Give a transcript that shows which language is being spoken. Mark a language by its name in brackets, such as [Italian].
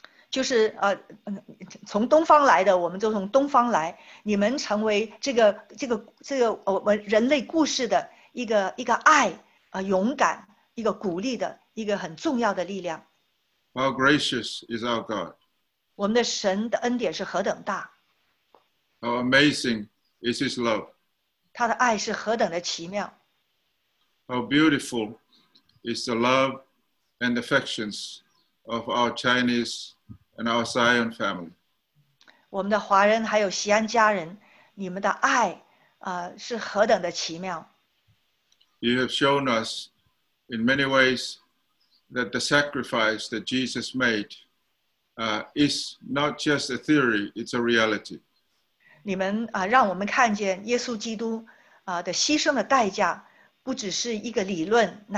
[Chinese] 就是从东方来的，我们就从东方来，你们成为这个我们人类故事的一个爱。勇敢，一个鼓励的，一个很重要的力量。 [English] How gracious is our God! [Chinese] 我们的神的恩典是何等大。 [English] How amazing is His love! [Chinese] 他的爱是何等的奇妙。 [English] How beautiful is the love and affections of our Chinese and our Zion family! [Chinese] 我们的华人还有西安家人，你们的爱是何等的奇妙。 [English] you have shown us in many ways that the sacrifice that Jesus made is not just a theory, it's a reality. [Chinese] 你们, 让我们看见耶稣基督, 的牺牲的代价, 不只是一个理论,